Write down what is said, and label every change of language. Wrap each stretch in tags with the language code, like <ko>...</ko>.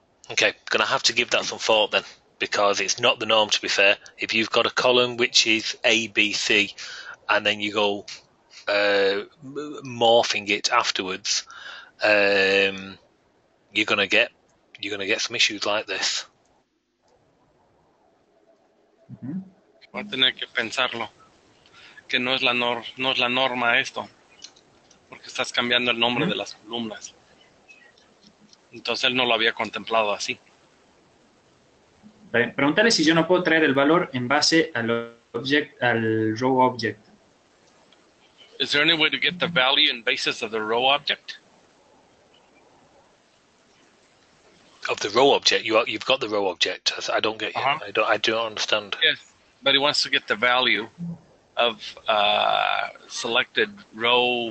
<en>Okay, gonna have to give that some thought then, because it's not the norm, to be fair. If you've got a column which is A, B, C, and then you go morphing it afterwards, you're gonna get some issues like this.</en> <es>Va a tener que pensarlo, que no es la norma esto, porque estás cambiando el nombre de las columnas. Entonces él no lo había contemplado así. Preguntarle si yo no puedo traer el valor en base al object, al row object.</es> <en>Is there any way to get the value in basis of the row object? Of the row object, you've got the row object. I don't get you. Uh-huh. I don't understand. Yes, but he wants to get the value of selected row</en>